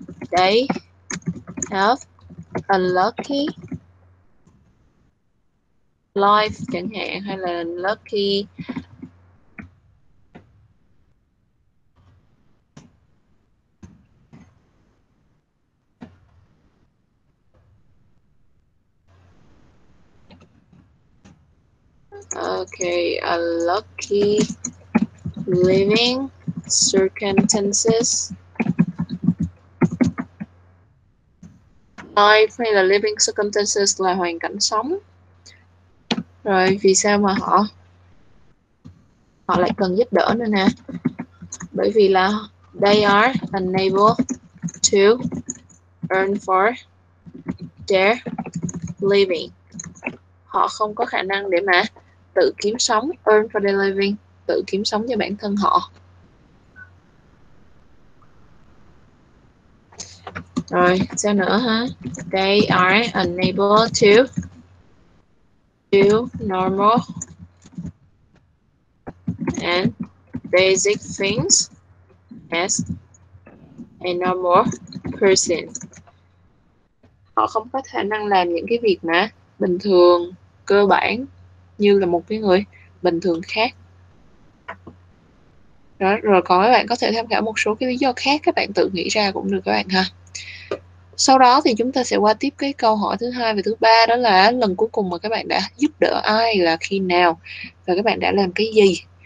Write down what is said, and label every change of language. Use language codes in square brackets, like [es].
[en] They have unlucky life [vi] chẳng hạn, hay là [en] lucky unlucky living circumstances. [vi] Life hay là living circumstances là hoàn cảnh sống. Rồi vì sao mà họ họ lại cần giúp đỡ nữa nè? Bởi vì là [en] they are unable to earn for their living. [vi] Họ không có khả năng để mà tự kiếm sống, [en] earn for their living, [vi] tự kiếm sống cho bản thân họ. Rồi, sao nữa hả? [en] They are unable to do normal and basic things as a normal person. [vi] Họ không có khả năng làm những cái việc mà bình thường, cơ bản như là một cái người bình thường khác. Đó, rồi còn các bạn có thể tham khảo một số cái lý do khác các bạn tự nghĩ ra cũng được các bạn ha. Sau đó thì chúng ta sẽ qua tiếp cái câu hỏi thứ hai và thứ ba, đó là lần cuối cùng mà các bạn đã giúp đỡ ai là khi nào và các bạn đã làm cái gì.